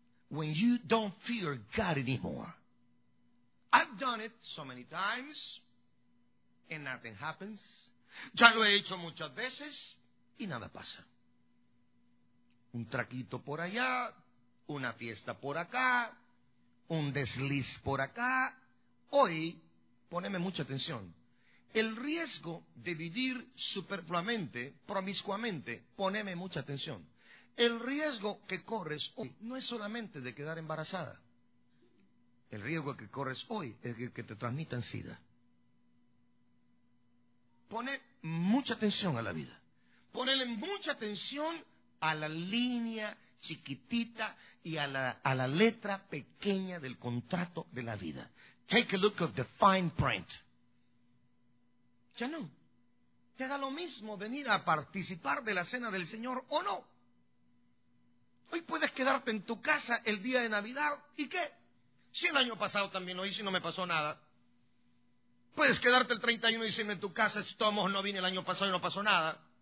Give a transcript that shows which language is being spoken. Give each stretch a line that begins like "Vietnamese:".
English: When you don't fear God anymore. I've done it so many times, and nothing happens.
Spanish: Ya lo he hecho muchas veces, y nada pasa. Un traquito por allá, una fiesta por acá, un desliz por acá. Hoy, poneme mucha atención, el riesgo de vivir superfluamente, promiscuamente, poneme mucha atención, el riesgo que corres hoy no es solamente de quedar embarazada. El riesgo que corres hoy es que te transmitan SIDA. Pone mucha atención a la vida. Ponele mucha atención a la línea chiquitita y a la letra pequeña del contrato de la vida.
English: Take a look of the fine print.
Spanish: Ya no. Te da lo mismo venir a participar de la cena del Señor o no. Hoy puedes quedarte en tu casa el día de Navidad. ¿Y qué? Si el año pasado también lo hice y no me pasó nada. Puedes quedarte el 31 de diciembre en tu casa. Si todos no vine el año pasado y no pasó nada.